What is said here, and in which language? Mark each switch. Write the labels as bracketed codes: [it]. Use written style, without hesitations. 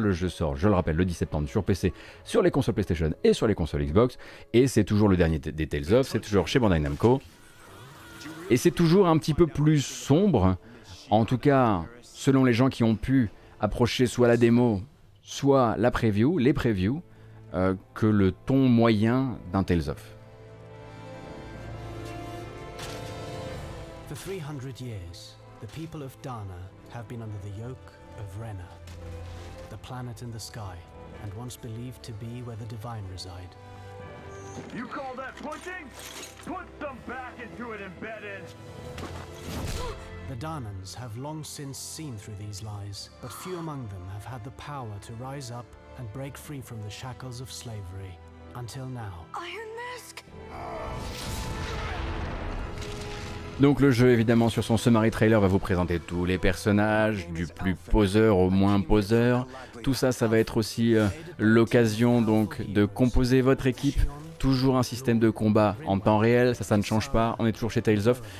[fr] Le jeu sort, je le rappelle, le 10 septembre sur PC. Sur les consoles PlayStation et sur les consoles Xbox, et c'est toujours le dernier des Tales of, c'est toujours chez Bandai Namco, et c'est toujours un petit peu plus sombre, en tout cas selon les gens qui ont pu approcher soit la démo, soit la preview, les previews, que le ton moyen d'un Tales of. [en] For 300 years, the people of Dana have been under the yoke of Rena, the planet in the sky. And once believed to be where the divine reside. You call that pushing? Put them back into it, embedded! The Danans have long since seen through these lies, but few among them have had the power to rise up and break free from the shackles of slavery. Until now. Iron Mask! [fr] Donc le jeu, évidemment, sur son summary trailer, va vous présenter tous les personnages, du plus poseur au moins poseur. Tout ça, ça va être aussi l'occasion donc de composer votre équipe. Toujours un système de combat en temps réel, ça ne change pas, on est toujours chez Tales of.